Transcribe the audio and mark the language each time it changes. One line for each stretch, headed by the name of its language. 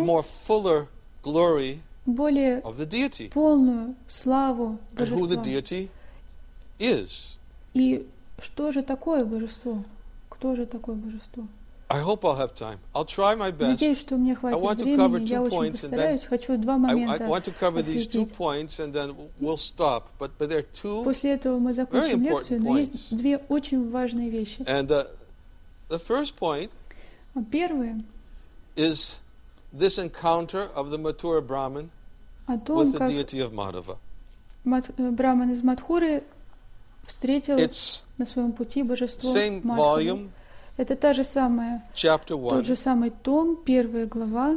English: a more fuller glory
Russian: более
English: of the deity,
Russian: полную славу божества,
English: and who the deity is.
Russian: И что же такое божество? Кто же такое божество?
English: I hope I'll have time. I'll try my best.
Russian: Надеюсь, что мне хватит времени. Я хочу два момента.
English: I want to cover these two points and then we'll stop. But there are two
Russian: после этого мы закончим лекцию, но есть две очень важные вещи.
English: And the first point
Russian: первое
English: is this encounter of the Mathura Brahman with the deity of Madhava.
Russian: Браман из Мадхуры встретил на своем пути божество Мадхавы. Это та же самая,
English: Chapter 1.
Russian: Тот же самый том, первая глава.